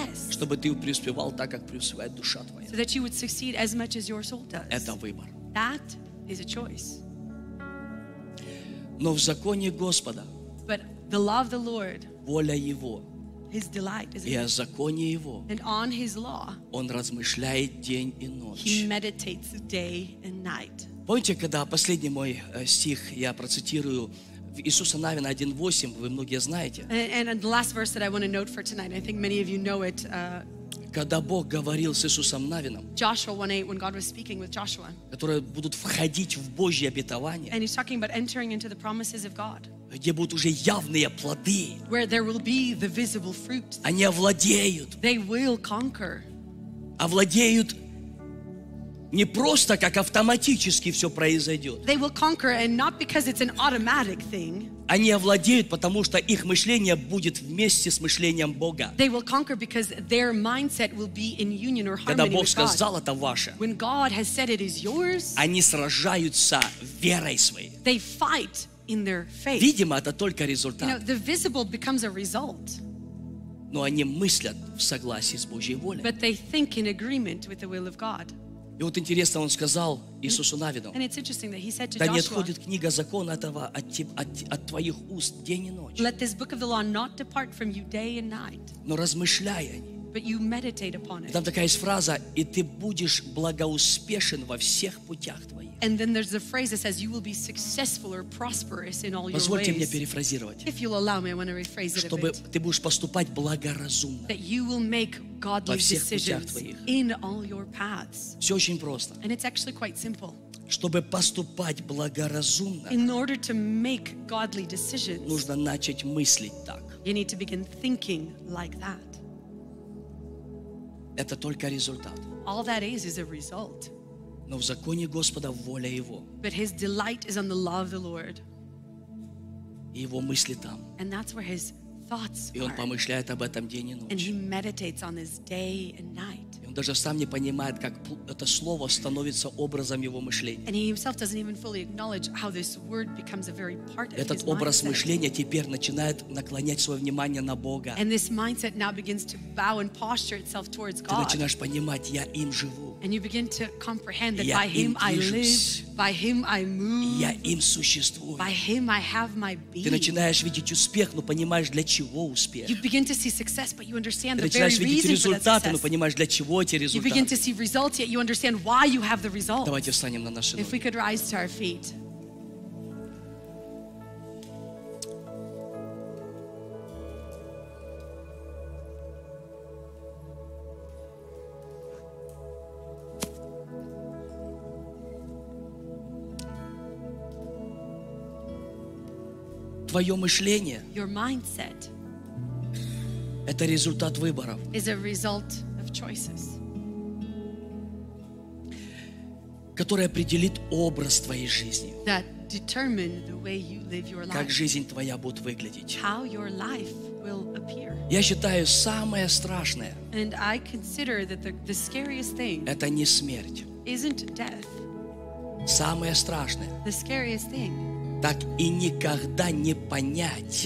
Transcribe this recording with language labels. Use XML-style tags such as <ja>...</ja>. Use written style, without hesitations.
<ru>Чтобы ты преуспевал так, как преуспевает душа твоя.</ru> <en>So that you would succeed as much as your soul does.</en> <ru>Это выбор.</ru> <en>That is a choice.</en> <ru>Но в законе Господа,</ru> <en>but the law of the Lord,</en> <ru>воля Его,</ru> <en>His delight is</en> <ru>и о законе Его,</ru> <en>and on His law,</en> <ru>Он размышляет день и ночь.</ru> <en>He meditates day and night.</en> <ru>Помните, когда последний мой стих я процитирую, Иисуса Навина 1:8, вы многие знаете.</ru> <en>And the last verse that I want to note for tonight, I think many of you know it.</en> <ru>Когда Бог говорил с Иисусом Навином,</ru> <en>Joshua 1:8, when God was speaking with Joshua,</en> <ru>которые будут входить в Божье обетование,</ru> <en>and he's talking about entering into the promises of God,</en> <ru>где будут уже явные плоды,</ru> <en>where there will be the visible fruit,</en> <ru>они овладеют,</ru> <en>they will conquer,</en> <ru>овладеют не просто как автоматически все произойдет.</ru> <en>They will conquer, and not because it's an automatic thing.</en> <ru>Они овладеют, потому что их мышление будет вместе с мышлением Бога.</ru> <en>They will conquer because their mindset will be in union or harmony with God.</en> <ru>Когда Бог сказал, это ваше.</ru> <en>When God has said it is yours.</en> <ru>Они сражаются верой своей.</ru> <en>They fight in their faith.</en> <ru>Видимо, это только результат.</ru> <en>You know, the visible becomes a result.</en> <ru>Но они мыслят в согласии с Божьей волей.</ru> <en>But they think in agreement with the will of God.</en> <ru>И вот интересно, он сказал Иисусу Навину, да не отходит книга закона этого от твоих уст день и ночь.</ru> <en>Let this book of the law not depart from you day and night.</en> <ru>Но размышляй о ней.</ru> <en>But you meditate upon it.</en> <ru>Там такая есть фраза, и ты будешь благоуспешен во всех путях твоих.</ru> <en>And then there's a phrase that says you will be successful or prosperous in all your ways.</en> <ru>Позвольте мне перефразировать.</ru> <en>If you'll allow me, I want to rephrase it.</en> <ru>Чтобы ты будешь поступать благоразумно.</ru> <en>That you will make godly decisions in all your paths.</en> <ru>Все очень просто.</ru> <en>And it's actually quite simple.</en> <ru>Чтобы поступать благоразумно,</ru> <en>in order to make godly decisions,</en> <ru>нужно начать мыслить так.</ru> <en>You need to begin thinking like that.</en> <ru>Это только результат.</ru> <en>All that is a result.</en> <ru>Но в законе Господа воля Его.</ru> <en>But His delight is on the law of the Lord.</en> <ru>И Его мысли там.</ru> <en>And that's where His thoughts are.</en> <ru>И Он помышляет об этом день и ночь.</ru> <en>And He meditates on this day and night.</en> <ru>И Он даже сам не понимает, как это слово становится образом Его мышления.</ru> <en>And He Himself doesn't even fully acknowledge how this word becomes a very part of His mindset.</en> <ru>Этот образ мышления теперь начинает наклонять свое внимание на Бога.</ru> <en>And this mindset now begins to bow and posture itself towards God.</en> <ru>Ты начинаешь понимать, я им живу.</ru> <en>And you begin to comprehend that by Him I live, by Him I move,</en> <ru>я им существую.</ru> <en>By Him I have my being.</en> <ru>Ты начинаешь видеть успех, но понимаешь, для чего успех.</ru> <en>You begin to see success, but you understand the very reason for that</en> <ru>Начинаешь видеть результаты, но понимаешь, для чего эти результаты.</ru> <en>You begin to see results, yet you understand why you have the results.</en> <ru>Давайте встанем на наши ноги.</ru> <en>If we could rise to our feet.</en> <ru>твое мышление</ru> <en>your mindset</en> <ru>это результат выборов.</ru> <en>Is a result of choices.</en> <ru>Который определит образ твоей жизни.</ru> <en>That determine the way you live your life.</en> <ru>Как жизнь твоя будет выглядеть.</ru> <en>How your life will appear.</en> <ru>Я считаю, самое страшное</ru> <en>And I consider that the scariest thing</en> <ru>это не смерть.</ru> <en>Isn't death.</en> <ru>Самое страшное</ru> <en>the scariest thing</en> <ru>так и никогда не понять</ru>